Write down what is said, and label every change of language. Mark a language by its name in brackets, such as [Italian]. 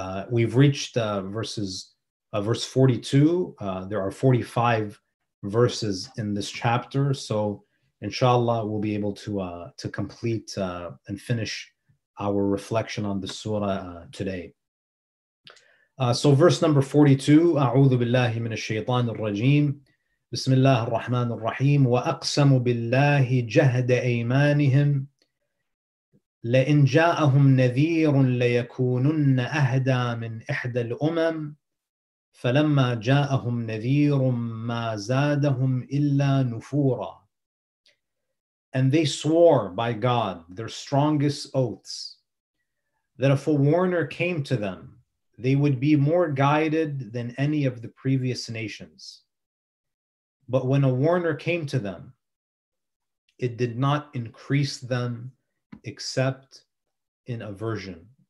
[English] We've reached verse 42. There are 45 verses in this chapter, so inshallah we'll be able to complete and finish our reflection on the surah today. So verse number 42, [Arabic] أعوذ بالله من الشيطان الرجيم بسم الله الرحمن الرحيم وأقسم بالله جهد أيمانهم لئن جاءهم نذير ليكونن أهدى من إحدى الأمم فلما جاءهم نذير ما زادهم إلا نفورا. [English] And they swore by God their strongest oaths that if a warner came to them, they would be more guided than any of the previous nations. But when a warner came to them, it did not increase them except in aversion.